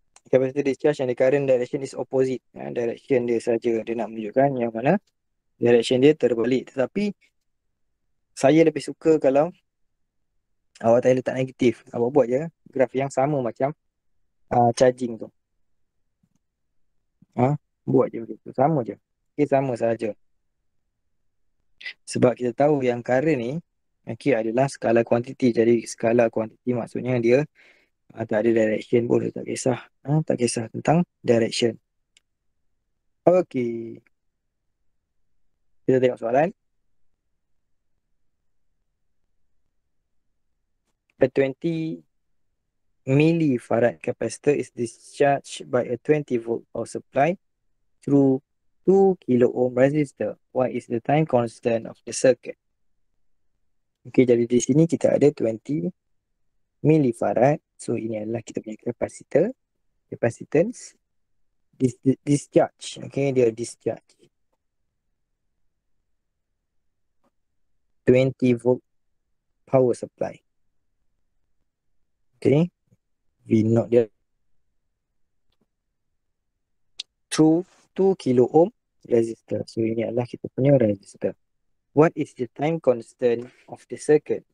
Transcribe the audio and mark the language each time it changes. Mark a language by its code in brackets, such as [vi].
[en] Capacity discharge and the current direction is opposite. [ms] Ya, direction dia saja dia nak menunjukkan yang mana direction dia terbalik. Tetapi saya lebih suka kalau awak tak letak negatif. Awak buat je graf yang sama macam charging tu. Ha? Buat je begitu. Sama je. Okay, sama sahaja. Sebab kita tahu yang current ni okay, adalah skala kuantiti. Jadi skala kuantiti maksudnya dia tak ada direction pun. Tak kisah. Ha? Tak kisah tentang direction. Okay. Kita tengok soalan. [en] A 20 millifarad capacitor is discharged by a 20 volt power supply through 2 kilo ohm resistor. What is the time constant of the circuit? [ms] Okay, jadi di sini kita ada 20 millifarad. So, ini adalah kita punya capacitor. [en] Capacitance. Discharge. Okay, dia discharge. 20 volt power supply. Okay. V naught dia. Through 2 kilo ohm resistor. [ms] So, ini adalah kita punya resistor. [en] What is the time constant of the circuit?